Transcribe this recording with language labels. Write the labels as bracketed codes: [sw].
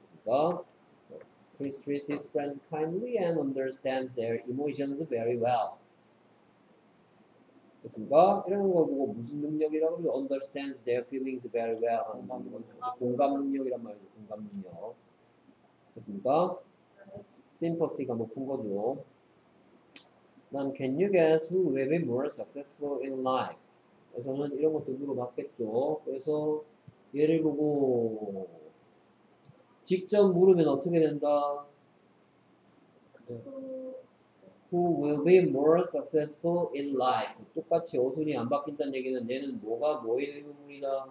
[ko] 그러니까 [en] Chris treats his friends kindly and understands their emotions very well. [ko] 그러니까 이런 걸 보고 무슨 능력이라고 그러죠? [en] Understands their feelings very well. [ko] 공감 능력이란 말이죠. 공감 능력. 그렇습니까? Sympathy가 높은 거죠. [en] 난 Can you guess who will be more successful in life? [ko] 그래서는 이런 것도 물어봤겠죠. 그래서 예를 보고 직접 물으면 어떻게 된다? [en] Who will be more successful in life? [ko] 똑같이 어순이 안 바뀐다는 얘기는 얘는 뭐가 뭐의 의문이다?